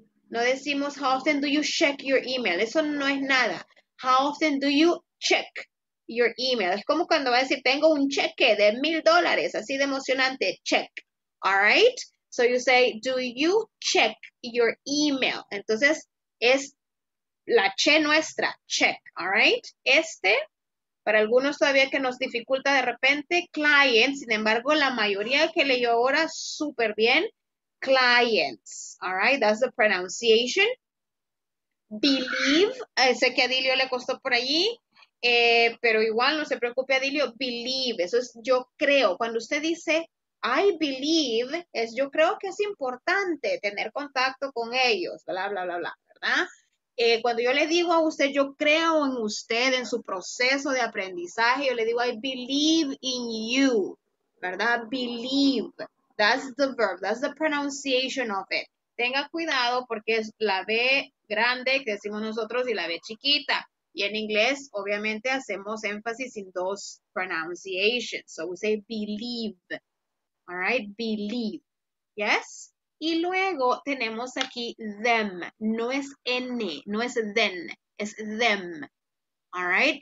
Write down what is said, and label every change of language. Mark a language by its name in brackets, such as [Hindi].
[Spanish] No decimos [English] how often do you check your email. [Spanish] Eso no es nada. [English] How often do you check your email. [Spanish] Es como cuando va a decir, tengo un cheque de $1,000. Así de emocionante. [English] Check. All right. So you say, do you check your email? [Spanish] Entonces, es la che nuestra. [English] Check. All right. [Spanish] Este, para algunos todavía que nos dificulta de repente, clients. Sin embargo, la mayoría que leyó ahora, súper bien. [English] Clients. All right. That's the pronunciation. Believe. [Spanish] Sé que a Dilio le costó por allí. Pero igual no se preocupe, Adilio, believe, eso es yo creo. Cuando usted dice, [English] I believe, [Spanish] es yo creo que es importante tener contacto con ellos, bla, bla, bla, bla, ¿verdad? Cuando yo le digo a usted, yo creo en usted, en su proceso de aprendizaje, yo le digo, [English] I believe in you, [Spanish] ¿verdad? [English] Believe, that's the verb, that's the pronunciation of it. [Spanish] Tenga cuidado porque es la B grande que decimos nosotros y la B chiquita. Y en inglés, obviamente, hacemos énfasis en dos pronunciations. [English] So, we say believe. All right? Believe. Yes? [Spanish] Y luego tenemos aquí them. No es N. No es then. Es them. [English] All right?